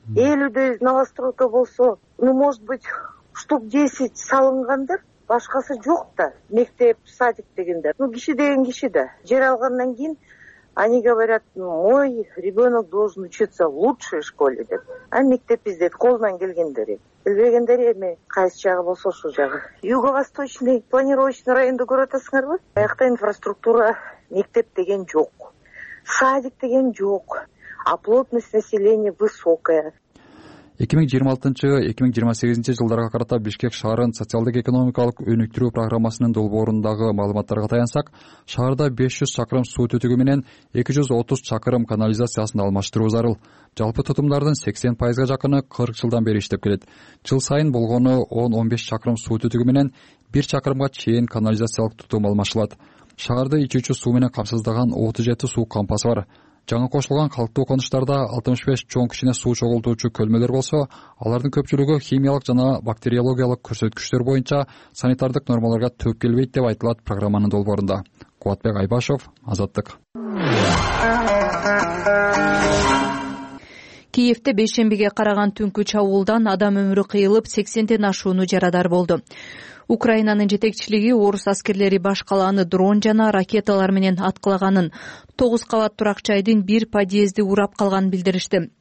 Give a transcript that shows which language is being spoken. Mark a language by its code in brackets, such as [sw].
[ky] 50 новостройка болсо, [ru] может быть, [ky] штук 10 салынгандыр, башкасы жок да, мектеп, садик дегендер. Киши деген киши да. Жер алгандан кийин [ru] они говорят, мой ребенок должен учиться в лучшей школе деп. [ky] А мектеп издет, колунан келгендери. Билбегендери эми кайсы жагы болсо ушул жагы. [ru] Юго-восточный планировочный [ky] районду көрүп атасыңарбы? Аякта инфраструктура, мектеп деген жок, садик деген жок, [ru] а плотность населения высокая. [ky] 2026-жылдарга карата Бишкек шаарын социалдык экономикалык өнүктүрүү программасынын долбоорундагы маалыматтарга таянсак, шаарда 500 чакырым суу түтүгү менен 230 чакырым канализациясын алмаштыруу зарыл. Жалпы тутумдардын 80% жакыны 40 жылдан бери иштеп келет. Жыл сайын болгону 10-15 чакырым суу түтүгү менен 1 чакырымга чейин канализациялык тутум алмашылат. Шаарды ичүүчү суу менен камсыздаган 37 суу кампасы бар. Жаңы кошулган калктуу конуштарда 65 чоң кичине суу чогултуучу көлмөлөр болсо, алардын көпчүлүгү химиялык жана бактериологиялык көрсөткүчтөр боюнча санитардык нормаларга төп келбейт деп айтылат программанын долбоорунда. Кубатбек Айбашов, Азаттык. Киевте бейшембиге караган түнкү чабуулдан адам өмүрү кыйылып 80 ашууну жарадар болду. Украинанын жетекчилиги орус аскерлери баш калааны дрон жана ракеталар менен аткылаганын, 9 кабат турак жайдын 1 подъезди урап калганын билдиришти.